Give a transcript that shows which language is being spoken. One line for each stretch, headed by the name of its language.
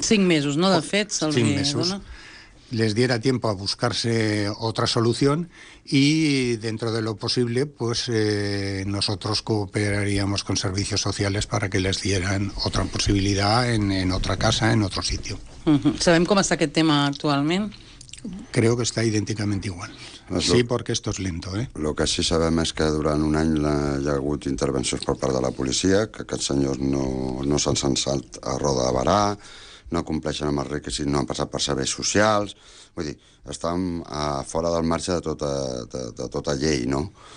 Catalan: 5 mesos, ¿no? De fet, cinc mesos.
Spanish: Les diera tiempo a buscarse otra solución y dentro de lo posible, pues nosotros cooperaríamos con servicios sociales para que les dieran otra posibilidad en otra casa, en otro sitio.
Catalan: ¿Sabem com està aquest tema actualment?
Spanish: Creo que está idénticamente igual. Sí, porque esto es lento, ¿eh?
Catalan: Lo que sí sabem és que durant un any hi ha hagut intervencions per part de la policia, que aquests senyors no s'han censat a roda de barà, no compleixen amb els requisits, no han passat per serveis socials... Vull dir, estan fora del marge de tota llei, no?